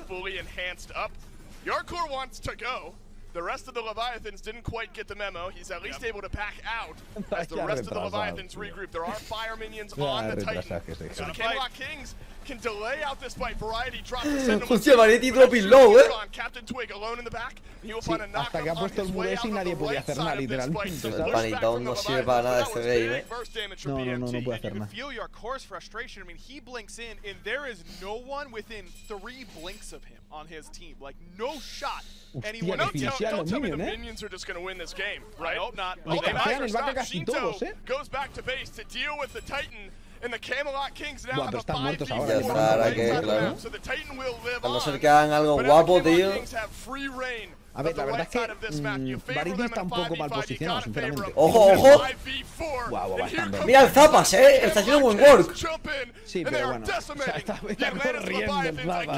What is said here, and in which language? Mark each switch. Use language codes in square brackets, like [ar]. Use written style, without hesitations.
[en] Fully enhanced up. Yarkor wants to go. The rest of the Leviathans didn't quite get the memo. He's at least able to pack out as the rest of the Leviathans regroup. There are fire minions on the Titan. So the Camelot Kings can delay out this fight. Variety drops the sentinel. Hostia, Variety low, eh. Captain Twig alone in the back. [es] Sí, hasta que ha puesto el muro y nadie podía hacer nada, literalmente. El panitón no sirve para nada este rey, ¿eh? No, no, no, no puede hacer nada. [en] I mean, he blinks in, and there is no one within three blinks of him on his team. Like, no shot. [es] Hostia, que financiaron los minions, ¿eh? [en] Minions are just gonna win this game, right? I hope not. [es] Le cancelan el vaca casi todos, ¿eh? [en] Goes back to base to deal with the Titan. And the Camelot Kings now have a 5v4 right. So the Titan will live on. [es] A no ser que hagan algo guapo, tío. A ver, la verdad es que Varity está un poco mal posicionado, sinceramente. ¡Ojo, ojo! ¡Guau, guau, bastante! ¡Mira el Zapas, eh! ¡Está haciendo buen work! Sí, pero bueno. O sea, está corriendo el Zapas.